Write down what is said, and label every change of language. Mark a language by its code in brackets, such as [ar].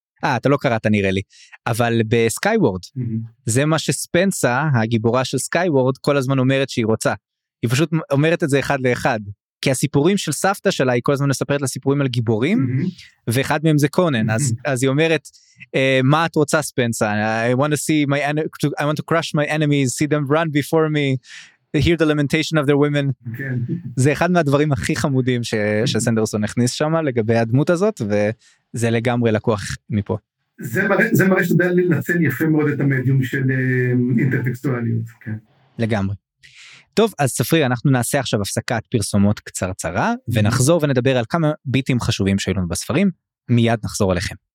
[he] אתה לא קראת נראה לי, אבל בסקייוורד, זה מה שספנסה, הגיבורה של סקייוורד, כל הזמן אומרת שהיא רוצה. היא פשוט אומרת את זה אחד לאחד, כי הסיפורים של סבתא שלה, היא כל הזמן מספרת לסיפורים על גיבורים, ואחד מהם זה קונן, אז היא אומרת, מה את רוצה ספנסה? [en] I want to crush my enemies, see them run before me, hear the lamentation of their women. [he] זה אחד מהדברים הכי חמודים שסנדרסון הכניס שם לגבי הדמות הזאת, וזה לגמרי לקוח מפה. זה מראה שאתה יודע לנצל יפה מאוד את המדיום של אינטרטקסטואליות. לגמרי. טוב, אז ספרי, אנחנו נעשה עכשיו הפסקת פרסומות קצרצרה, ונחזור ונדבר על כמה ביטים חשובים שהיו לנו בספרים, מיד נחזור אליכם.